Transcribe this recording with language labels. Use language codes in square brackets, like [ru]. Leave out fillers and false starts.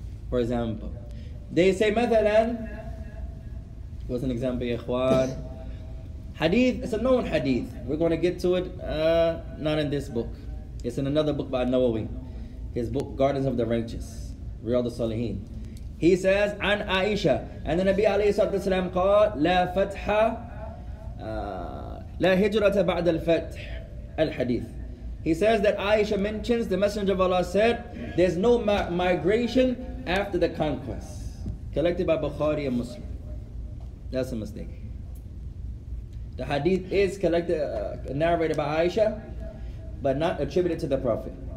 [en] For example, they say, مثلاً, what's an example, Ikhwan? Hadith, it's a known hadith. We're going to get to it, not in this book. It's in another book by Nawawi, his book, Gardens of the Righteous, Riyad al-Salihin. He says, [ar] عن عائشة. [en] And the [ar] Nabi عليه الصلاة والسلام قال, لا فتح, لا هجرة بعد الفتح. الحديث. [en] He says that Aisha mentions, the Messenger of Allah said, there's no migration after the conquest. Collected by Bukhari and Muslim. That's a mistake. The hadith is collected, narrated by Aisha, but not attributed to the Prophet.